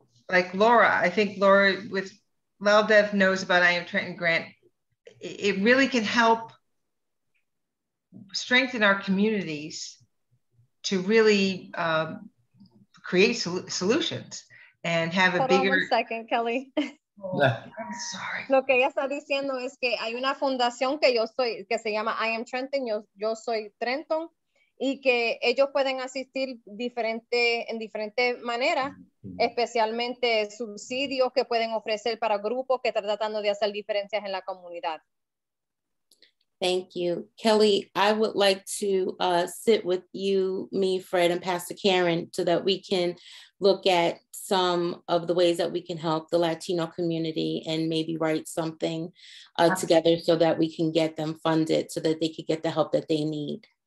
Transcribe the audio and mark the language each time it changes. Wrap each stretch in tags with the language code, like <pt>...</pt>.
<en>like Laura, I think Laura with Laldev knows about I Am Trenton Grant. It really can help strengthen our communities to really create solutions and have a Hold bigger- Hold on one second, Kelly. I'm sorry.</en> <es>Lo que ella está diciendo es que hay una fundación que yo soy, que se llama I Am Trenton, yo soy Trenton, y que ellos pueden asistir diferente, en diferentes maneras, especialmente subsidios que pueden ofrecer para grupos que están tratando de hacer diferencias en la comunidad.</es> <en>Thank you. Kelly, I would like to sit with you, me, Fred, and Pastor Karen so that we can look at some of the ways that we can help the Latino community and maybe write something together so that we can get them funded so that they could get the help that they need.</en>